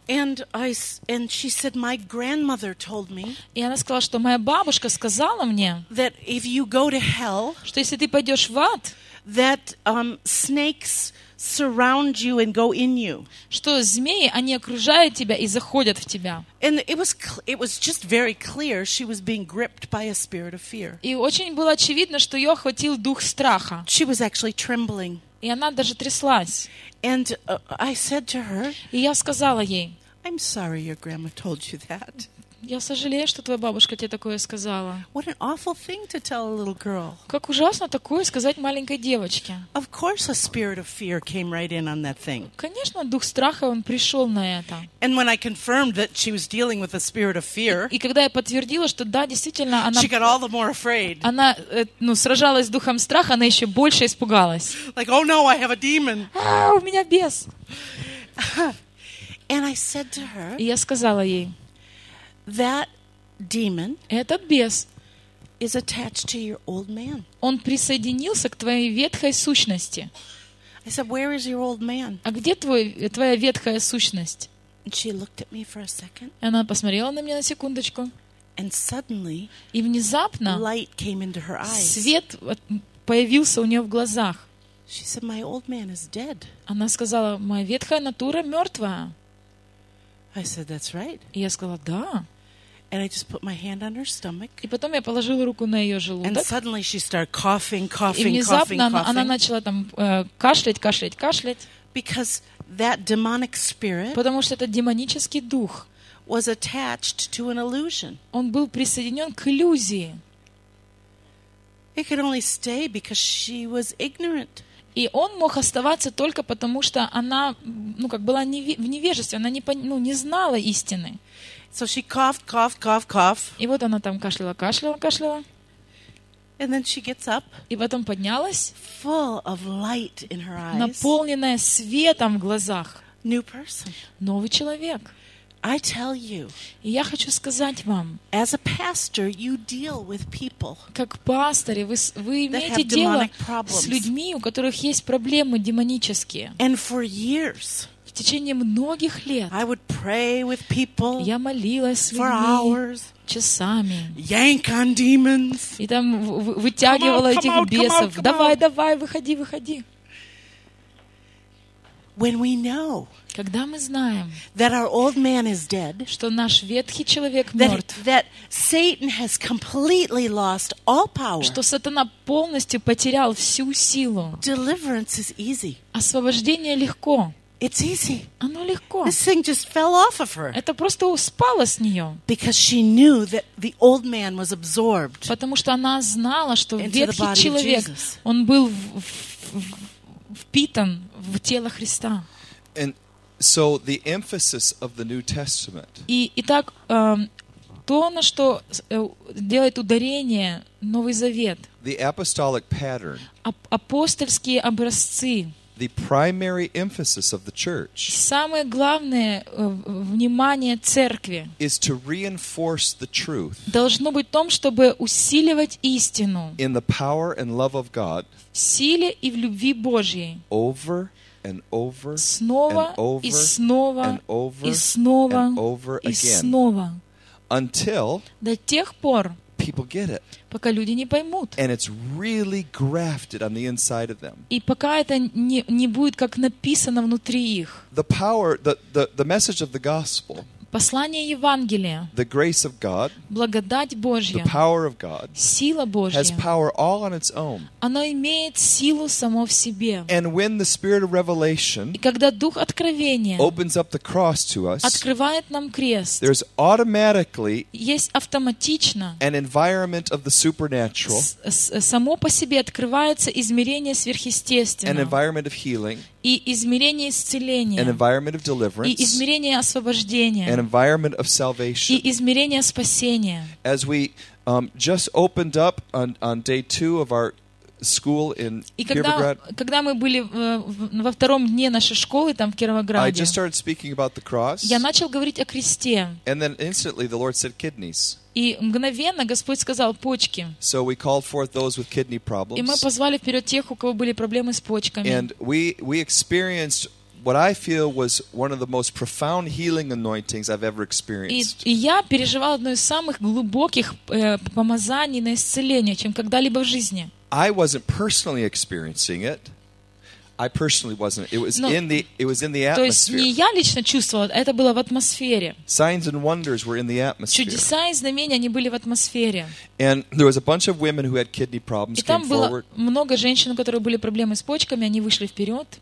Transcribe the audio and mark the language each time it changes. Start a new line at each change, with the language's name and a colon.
English: And she said, "My grandmother told me."
Russian: И она сказала, что моя бабушка сказала мне,
English: that if you go to hell,
Russian: что если ты пойдешь в ад,
English: that, snakes surround you and go in you.
Russian: Что змеи, они окружают тебя и заходят в тебя.
English: And it was just very clear she was being gripped by a spirit of fear.
Russian: И очень было очевидно, что ее охватил дух страха.
English: She was actually trembling.
Russian: И она даже тряслась.
English: And I said to her,
Russian: и я сказала ей,
English: I'm sorry your grandma told you that.
Russian: Я сожалею, что твоя бабушка тебе такое сказала.
English: What an awful thing to tell a little girl.
Russian: Как ужасно такое сказать маленькой девочке.
English: Of course a spirit of fear came right in on that thing.
Russian: Конечно, дух страха, он пришел на это.
English: And when I confirmed that she was dealing with a spirit of fear,
Russian: и когда я подтвердила, что да, действительно, она,
English: she got all the more afraid.
Russian: Она, ну, сражалась с духом страха, она еще больше испугалась.
English: Like, oh no, I have a demon.
Russian: А, у меня бес.
English: And I said to her,
Russian: и я сказала ей,
English: that demon,
Russian: этот бес,
English: is attached to your old man.
Russian: Он присоединился к твоей ветхой сущности.
English: I said, where is your old man?
Russian: А где твоя ветхая сущность?
English: And she looked at me for a second.
Russian: Она посмотрела на меня на секундочку.
English: And suddenly,
Russian: и внезапно,
English: light came into her eyes.
Russian: Свет появился у нее в глазах.
English: She said, my old man is dead.
Russian: Она сказала, моя ветхая натура мертвая.
English: I said, that's right.
Russian: И я сказала, да.
English: And I just put my hand on her stomach.
Russian: И потом я положила руку на ее желудок.
English: And suddenly she started coughing.
Russian: И внезапно она начала там кашлять.
English: Because that demonic spirit,
Russian: потому что этот демонический дух,
English: was attached to an illusion.
Russian: Он был присоединен к иллюзии.
English: It could only stay because she was ignorant.
Russian: И он мог оставаться только потому, что она, ну, как была в невежестве, она не знала истины.
English: So she coughed.
Russian: И вот она там кашляла.
English: And then she gets up.
Russian: И потом поднялась.
English: Full of light in her eyes.
Russian: Наполненная светом в глазах.
English: New person.
Russian: Новый человек.
English: I tell you.
Russian: И я хочу сказать вам.
English: As a pastor, you deal with people.
Russian: Как пастор, вы имеете дело с людьми, у которых есть проблемы демонические.
English: And for years.
Russian: В течение многих лет.
English: I would pray with people.
Russian: Я молилась с людьми.
English: For hours.
Russian: Часами.
English: Yank on demons.
Russian: И там вытягивала этих бесов. Давай, выходи.
English: When we know.
Russian: Когда мы знаем,
English: that our old man is dead,
Russian: что наш ветхий человек мертв,
English: that Satan has completely lost all power,
Russian: что сатана полностью потерял всю силу,
English: deliverance is easy.
Russian: Освобождение легко.
English: It's easy.
Russian: Оно легко.
English: This thing just fell off of her.
Russian: Это просто спало с нее.
English: Because she knew that the old man was absorbed.
Russian: Потому что она знала, что ветхий человек, он был впитан в тело Христа.
English: And so the emphasis of the New Testament.
Russian: Итак, то, на что делает ударение Новый Завет.
English: The apostolic pattern.
Russian: Апостольские образцы.
English: The primary emphasis of the church.
Russian: Самое главное внимание церкви.
English: Is to reinforce the truth.
Russian: Должно быть в том, чтобы усиливать истину.
English: In the power and love of God.
Russian: В силе и в любви Божьей.
English: Over and over.
Russian: Снова и снова и снова и снова.
English: Until.
Russian: До тех пор.
English: People get it.
Russian: Пока люди не поймут.
English: And it's really grafted on the inside of them.
Russian: И пока это не будет как написано внутри их.
English: The power, the message of the gospel.
Russian: Послание Евангелия.
English: The grace of God.
Russian: Благодать Божья.
English: The power of God.
Russian: Сила Божья.
English: Has power all on its own.
Russian: Оно имеет силу само в себе.
English: And when the Spirit of Revelation.
Russian: И когда Дух Откровения.
English: Opens up the cross to us.
Russian: Открывает нам крест.
English: There's automatically.
Russian: Есть автоматично.
English: An environment of the supernatural.
Russian: Само по себе открывается измерение сверхъестественного.
English: An environment of healing.
Russian: И измерение исцеления.
English: An environment of deliverance.
Russian: И измерение освобождения.
English: An environment of salvation.
Russian: И измерение спасения.
English: As we just opened up on day two of our school in Kirovograd.
Russian: И когда мы были во втором дне нашей школы там в Кировограде.
English: I just started speaking about the cross.
Russian: Я начал говорить о кресте.
English: And then instantly the Lord said kidneys.
Russian: И мгновенно Господь сказал почки.
English: So we called forth those with kidney problems.
Russian: И мы позвали вперед тех, у кого были проблемы с почками.
English: And we experienced what I feel was one of the most profound healing anointings I've ever experienced.
Russian: И я переживал одно из самых глубоких помазаний на исцеление, чем когда-либо в жизни.
English: I wasn't personally experiencing it. I personally wasn't. It was in the atmosphere.
Russian: То есть не я лично чувствовал, это было в атмосфере.
English: Signs and wonders were in the atmosphere.
Russian: Чудеса и знамения, они были в атмосфере.
English: And there was a bunch of women who had kidney problems came forward.
Russian: И там было много женщин, у которых были проблемы с почками, они вышли вперед.